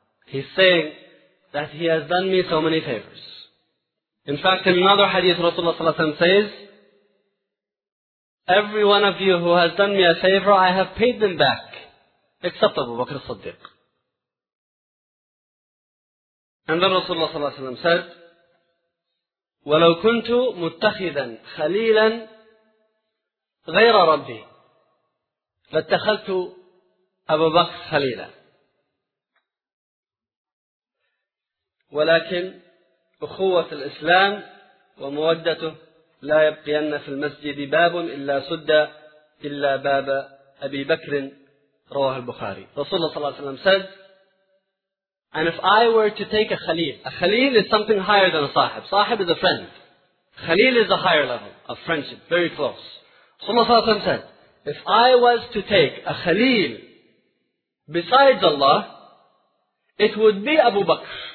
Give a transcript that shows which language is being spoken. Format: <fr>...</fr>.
<en>He's saying that he has done me so many favors. In fact, in another hadith, Rasulullah sallallahu alaihi wasallam says, every one of you who has done me a favor, I have paid them back, except Abu Bakr as-Siddiq. And then Rasulullah sallallahu alaihi wasallam said,</en> <ar>وَلَوْ كُنْتُ مُتَّخِذًا خَلِيلًا غَيْرَ رَبِّي لَاتَّخَذْتُ أَبُ بَكْرٍ خَلِيلًا. وَلَكِنْ أخوة الإسلام ومودته لا يبقين في المسجد باب إلا سد إلا باب أبي بكر. رواه البخاري. رسول الله صلى الله عليه وسلم</ar> <en>said, and if I were to take a khalil is something higher than a sahib. Sahib is a friend. Khalil is a higher level of friendship, very close. Rasulullah</en> <ar>صلى الله عليه وسلم</ar> <en>said, if I was to take a khalil besides Allah, it would be Abu Bakr.</en>